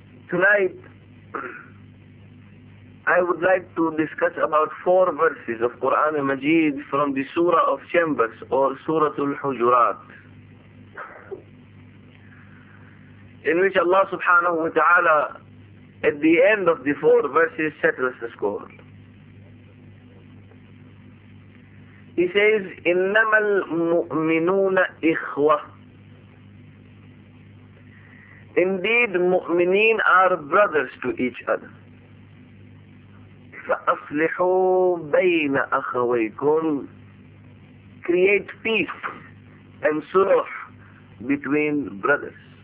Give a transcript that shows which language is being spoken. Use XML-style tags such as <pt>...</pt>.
<en>Tonight, I would like to discuss about four verses of Quran and Majid from the Surah of Chambers or Suratul Hujurat, in which Allah subhanahu wa ta'ala at the end of the four verses settles the score. He says,</en> <ar>إِنَّمَا الْمُؤْمِنُونَ إِخْوَةٌ.</ar> <en>Indeed, mu'mineen are brothers to each other.</en> <ar>فَأَصْلِحُوا بَيْنَ أَخَوَيْكُمْ.</ar> <en>Create peace and sulh between brothers.</en>